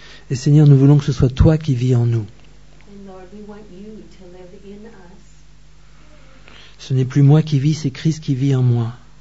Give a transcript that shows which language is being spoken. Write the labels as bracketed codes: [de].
[fr] Et Seigneur, nous voulons que ce soit toi qui vis en nous. [en] And Lord, we want you to live in us. [fr] Ce n'est plus moi qui vis, c'est Christ qui vit en moi.